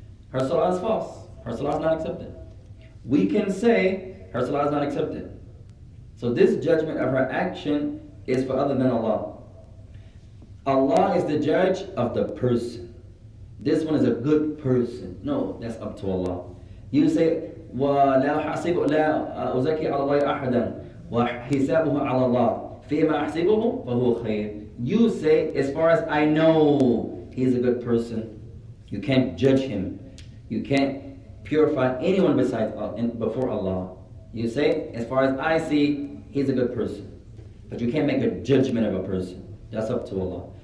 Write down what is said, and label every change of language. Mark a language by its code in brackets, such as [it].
[en] Her salah is false. Her salah is not accepted. We can say her salah is not accepted. So this judgment of her action is for other than Allah. Allah is the judge of the person. This one is a good person. No, that's up to Allah. You say, [ar] وَلَا حَسِبُ لَا أُزَكِي عَلَى اللَّهِ أَحَدًا وَحِسَابُهُ عَلَى اللَّهِ فِيمَا أَحْسِبُهُ فَهُوَ خَيْرٌ. [en] You say, as far as I know, he's a good person. You can't judge him. You can't purify anyone besides Allah, before Allah. You say, as far as I see, he's a good person. But you can't make a judgment of a person. That's up to Allah.